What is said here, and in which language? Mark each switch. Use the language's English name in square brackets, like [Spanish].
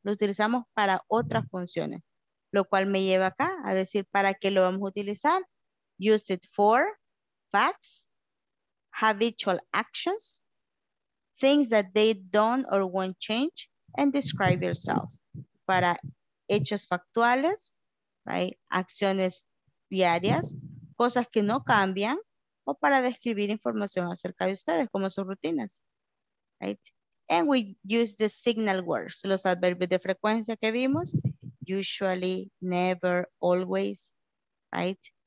[Spanish] Lo utilizamos para otras funciones, lo cual me lleva acá a decir para qué lo vamos a utilizar. [English] Use it for facts, habitual actions, things that they don't or won't change, and describe yourselves. [Spanish] Para hechos factuales, right? Acciones diarias, cosas que no cambian, o para describir información acerca de ustedes, como sus rutinas, right? [English] And we use the signal words, [Spanish] los adverbios de frecuencia que vimos, [English] usually, never, always, right?